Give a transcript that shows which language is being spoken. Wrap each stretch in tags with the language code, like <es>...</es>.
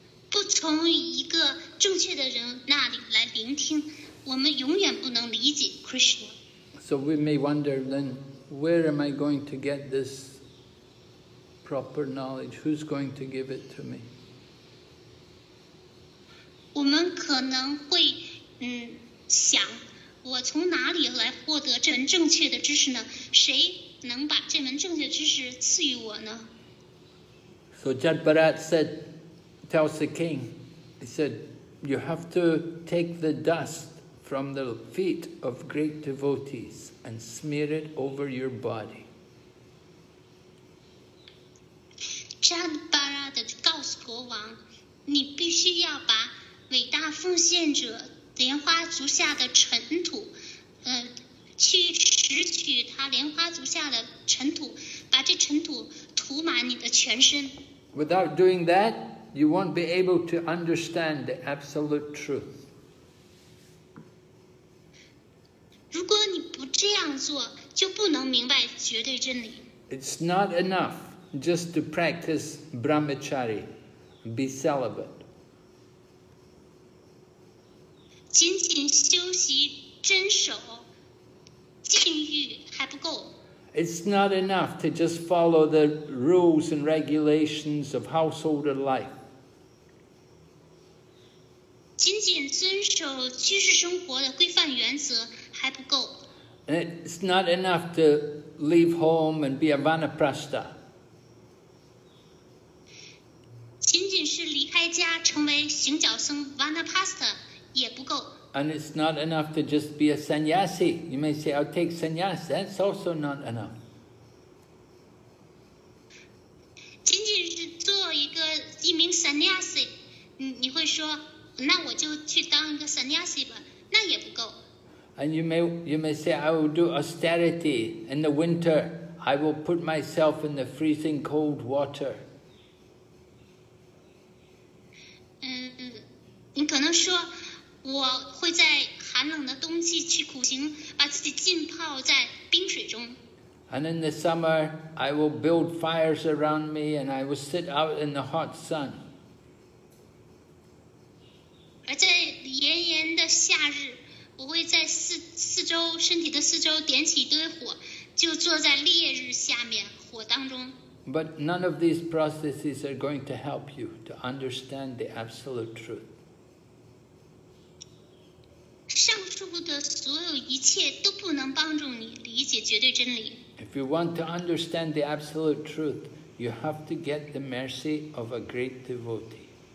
<zh>不从一个正确的人那里来聆听，我们永远不能理解 Krishna.</zh> <en>So we may wonder then, where am I going to get this proper knowledge? Who's going to give it to me?</en> <zh>我们可能会想我从哪里来获得这门正确的知识呢？谁能把这门正确知识赐予我呢？</zh> <en>So Jadbarat said, tells the king, he said, you have to take the dust from the feet of great devotees and smear it over your body.</en> <zh>Jadbarat 告诉国王，你必须要把伟大奉献者莲花足下的尘土，去拾取他莲花足下的尘土，把这尘土涂满你的全身。</zh> <en>Without doing that, you won't be able to understand the absolute truth.</en> <zh>如果你样做就不能明白绝对真理。</zh> <en>It's not enough just to practice brahmachari, be celibate.</en> <zh>仅仅修习真守、禁欲还不够。</zh> <en>It's not enough to just follow the rules and regulations of household life.</en> <zh>仅仅遵守居士生活的规范原则还不够。</zh> <en>It's not enough to leave home and be a vanaprastha.</en> <zh>仅仅是离开家成为行脚僧 vanaprastha 也不够。</zh> <en>And it's not enough to just be a sannyasi. You may say, I'll take sannyasi. That's also not enough.</en> <zh>仅仅是做一名 sannyasi, 你会说，那我就去当一个 sannyasi 吧，那也不够。</zh> <en>And you may say, I will do austerity in the winter. I will put myself in the freezing cold water.</en> <zh>你可能说，我会在寒冷的冬季去苦行，把自己浸泡在冰水中。</zh> <en>And in the summer, I will build fires around me, and I will sit out in the hot sun.</en> <zh>而在炎炎的夏日，我会在四周身体的四周点起一堆火，就坐在烈日下面火当中。</zh> <en>But none of these processes are going to help you to understand the absolute truth.</en> <zh>上述的所有一切都不能帮助你理解绝对真理。</zh> <en>If you want to understand the absolute truth, you have to get the mercy of a great devotee.</en>